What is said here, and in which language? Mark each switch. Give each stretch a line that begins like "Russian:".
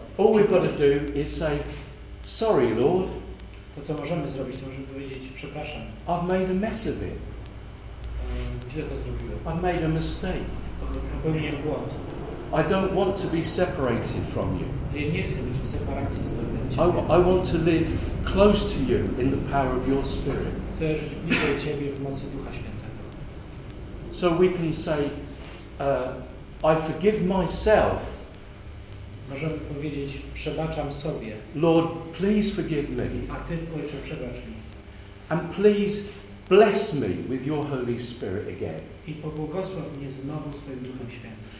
English: All we've got to do is say, sorry, Lord.
Polish: To co możemy zrobić, to możemy powiedzieć, przepraszam.
English: I've made a mess of it.
Polish: Źle to zrobiłem.
English: I've made a mistake.
Polish: Popełniłem błąd.
English: I don't want to be separated from you.
Polish: Ja nie chcę być w separacji z Tobą.
English: I want to live close to you in the power of your Spirit.
Polish: Chcę żyć bliżej Ciebie w mocy Ducha Świętego.
English: So we can say, I forgive myself.
Polish: Możemy powiedzieć, przebaczam sobie.
English: Lord, please forgive me.
Polish: A Ty, Ojcze, przebacz mi.
English: And please bless me with your Holy Spirit again.
Polish: I pobłogosław mnie znowu swoim Duchem Świętym.